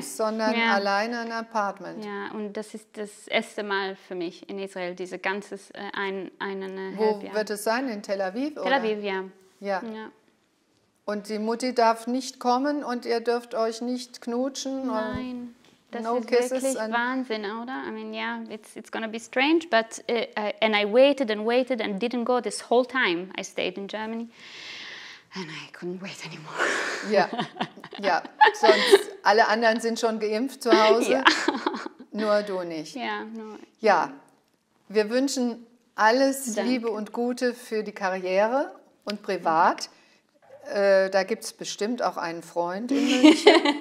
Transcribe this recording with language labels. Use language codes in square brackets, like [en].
[de] sondern alleine im Apartment. Ja, und das ist das erste Mal für mich in Israel, dieses ganze Wo wird es sein? In Tel Aviv? Tel Aviv, oder? Und die Mutti darf nicht kommen und ihr dürft euch nicht knutschen? Nein. Das ist wirklich Wahnsinn, oder? [en] I mean, it's gonna be strange, but and I waited and didn't go this whole time. I stayed in Germany, and I couldn't wait anymore. [de] Sonst alle anderen sind schon geimpft zu Hause, nur du nicht. Wir wünschen alles Liebe und Gute für die Karriere und privat. Da gibt's bestimmt auch einen Freund in München.